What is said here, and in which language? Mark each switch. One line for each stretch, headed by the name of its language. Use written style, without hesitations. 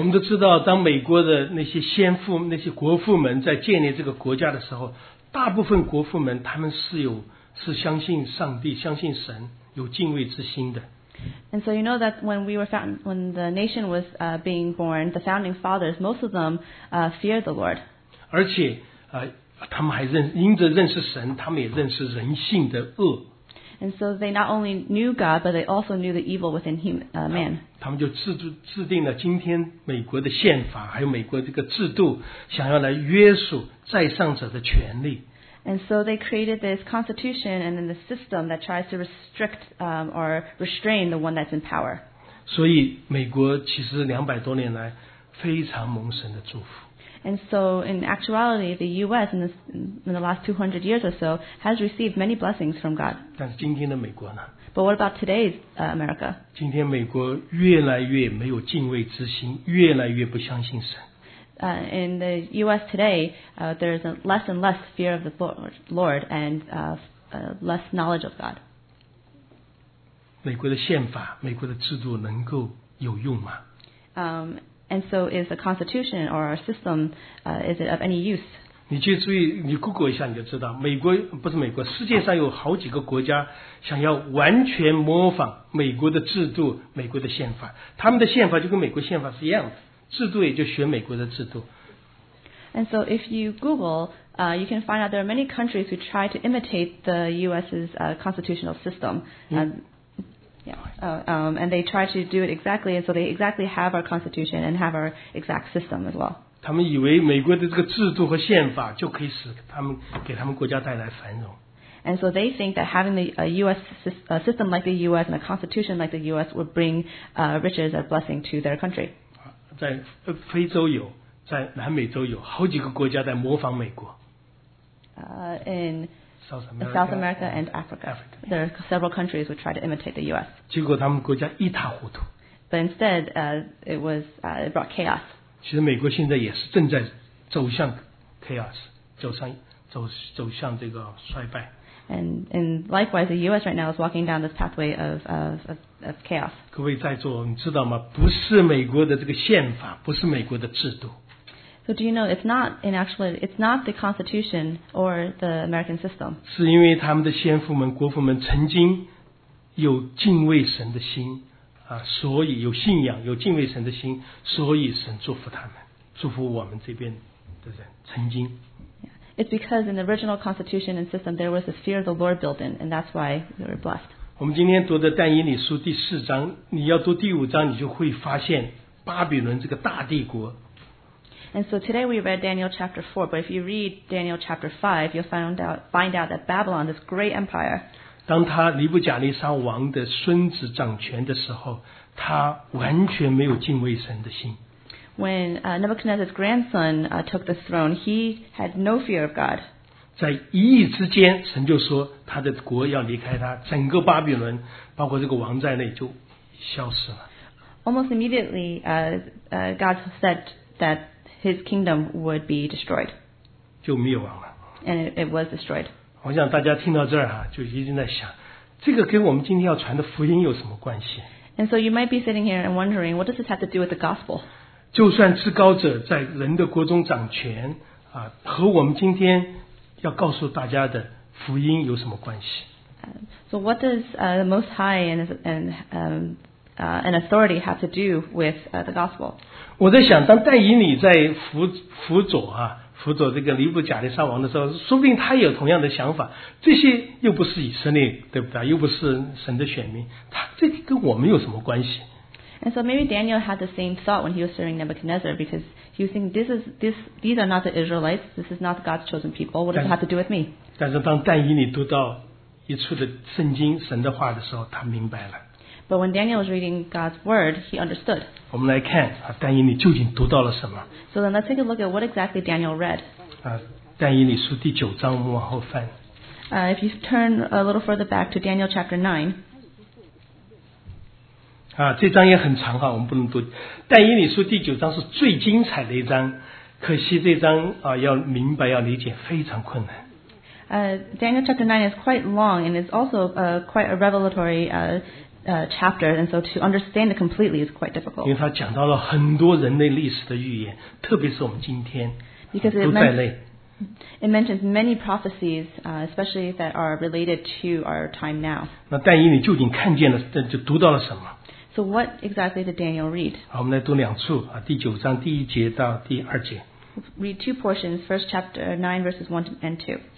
Chinese: 我们都知道，当美国的那些先父、那些国父们在建立这个国家的时候，大部分国父们他们是相信上帝、相信神、有敬畏之心的。
English: And so you know that when the nation was being born, the founding fathers, most of them feared the Lord.
Chinese: 而且他们还认因着认识神，他们也认识人性的恶。
English: And so they not only knew God, but they also knew the evil within human, man.
Chinese: 他们就制定了今天美国的宪法，还有美国这个制度，想要来约束在上者的权利。
English: And so they created this constitution and then the system that tries to restrict, or restrain the one that's in power.
Chinese: 所以美国其实200多年来非常蒙神的祝福。
English: And so, in actuality, the U.S. in the last 200 years or so has received many blessings from God.
Chinese: 但是今天的美国呢?
English: But what about today's America?
Chinese: 今天美国越来越没有敬畏之心，越来越不相信神。
English: In the U.S. today, there's less and less fear of the Lord and less knowledge of God.
Chinese: 美国的宪法，美国的制度能够有用吗?
English: And so is the constitution or our system, is it of any use?
Chinese: 你去注意，你 Google 一下你就知道，美国不是美国，世界上有好几个国家想要完全模仿美国的制度、美国的宪法，他们的宪法就跟美国宪法是一样的，制度也就学美国的制度。
English: And so if you Google, you can find out there are many countries who try to imitate the U.S.'s constitutional system. And they try to do it exactly, and so they exactly have our constitution and have our exact system as well.
Chinese: 他们以为美国的这个制度和宪法就可以使他们给他们国家带来繁荣。
English: And so they think that having a U.S. system like the U.S. and a constitution like the U.S. would bring riches and blessing to their country.
Chinese: 在非洲有，在南美洲有好几个国家在模仿美国。
English: In South America and Africa. There are several countries who try to imitate the U.S.
Chinese: 结果他们国家一塌糊涂。
English: But instead, it brought chaos.
Chinese: 其实美国现在也是正在走向 chaos, 走向这个衰败。
English: And likewise, the U.S. right now is walking down this pathway of chaos.
Chinese: 各位在座，你知道吗？不是美国的这个宪法，不是美国的制度。
English: So do you know it's not the Constitution or the American system?
Chinese: 是因为他们的先父们、国父们曾经有敬畏神的心啊，所以有信仰、有敬畏神的心，所以神祝福他们，祝福我们这边的人曾经。
English: It's because in the original Constitution and system there was the fear of the Lord built in, and that's why we were blessed.
Chinese: 我们今天读的但以理书第四章，你要读第五章，你就会发现巴比伦这个大帝国。
English: And so today we read Daniel chapter 4, but if you read Daniel chapter 5, you'll find out that Babylon, this great empire,
Chinese: 当他尼布甲尼撒王的孙子掌权的时候，他完全没有敬畏神的心。
English: When Nebuchadnezzar's grandson took the throne, he had no fear of God.
Chinese: 在一夜之间，神就说他的国要离开他，整个巴比伦，包括这个王在内，就消失了。
English: Almost immediately, God said that His kingdom would be destroyed.
Chinese: 就灭亡了。
English: And it was destroyed.
Chinese: 我想大家听到这儿啊，就一定在想，这个跟我们今天要传的福音有什么关系？
English: And so you might be sitting here and wondering, what does this have to do with the gospel?
Chinese: 就算至高者在人的国中掌权啊，和我们今天要告诉大家的福音有什么关系？
English: So what does the Most High and authority have to do with the gospel?
Chinese: 我在想，当但以理在辅佐这个尼布甲尼撒王的时候，说不定他有同样的想法。这些又不是以色列，对不对？又不是神的选民，他这跟我们有什么关系？
English: And so maybe Daniel had the same thought when he was serving Nebuchadnezzar because he was thinking, these are not the Israelites. This is not God's chosen people. What does it have to do with me?
Chinese: 但是当但以理读到一处的圣经神的话的时候，他明白了。
English: But when Daniel was reading God's word, he understood.
Chinese: 我们来看啊，但以理究竟读到了什么。
English: So then let's take a look at what exactly Daniel read.
Chinese: 但以理书第九章，我们往后翻。
English: If you turn a little further back to Daniel chapter 9.
Chinese: 这章也很长啊，我们不能读。但以理书第九章是最精彩的一章，可惜这章啊，要明白要理解非常困难。
English: Daniel chapter 9 is quite long and is also quite a revelatory chapter, and so to understand it completely is quite difficult.
Chinese: 因为他讲到了很多人类历史的预言，特别是我们今天
English: It mentions many prophecies, especially that are related to our time now.
Chinese: 那但以理究竟看见了，就读到了什么？
English: So what exactly did Daniel read?
Chinese: 好，我们来读两处啊，第九章第一节到第二节。
English: read two portions, first chapter 9, verses 1 and 2.